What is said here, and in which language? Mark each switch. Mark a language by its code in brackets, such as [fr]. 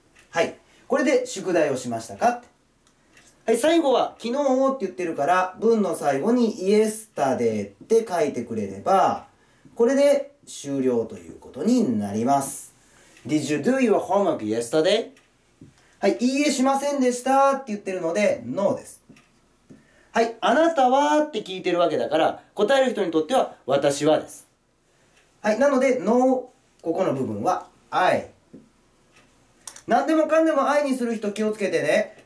[ja] はい、これで宿題をしましたか。はい、最後は昨日って言ってるから、文の最後に yesterday って書いてくれれば、これで終了ということになります。 [en] Did you do your homework yesterday? [ja] はい、いいえしませんでしたって言ってるので No です。はい、あなたはって聞いてるわけだから、答える人にとっては私はです。はい、なので No、 ここの部分は I。何でもかんでも I にする人気をつけてね。